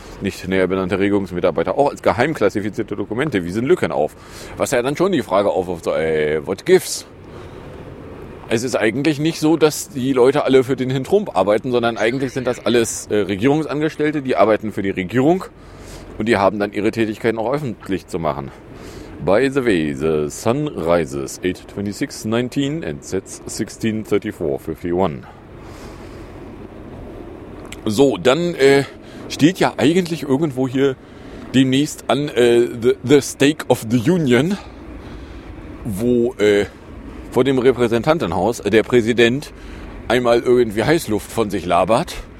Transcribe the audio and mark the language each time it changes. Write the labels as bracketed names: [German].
[German] Nicht näher benannte Regierungsmitarbeiter auch als geheim klassifizierte Dokumente wiesen Lücken auf. Was ja dann schon die Frage aufwirft, so, [English] what gives? [German] Es ist eigentlich nicht so, dass die Leute alle für den Herrn Trump arbeiten, sondern eigentlich sind das alles Regierungsangestellte, die arbeiten für die Regierung und die haben dann ihre Tätigkeiten auch öffentlich zu machen. [English] By the way, the sun rises 8:26:19 and sets 16:34:51. [German] So, dann steht ja eigentlich irgendwo hier demnächst an the Stake of the Union, wo vor dem Repräsentantenhaus der Präsident einmal irgendwie Heißluft von sich labert.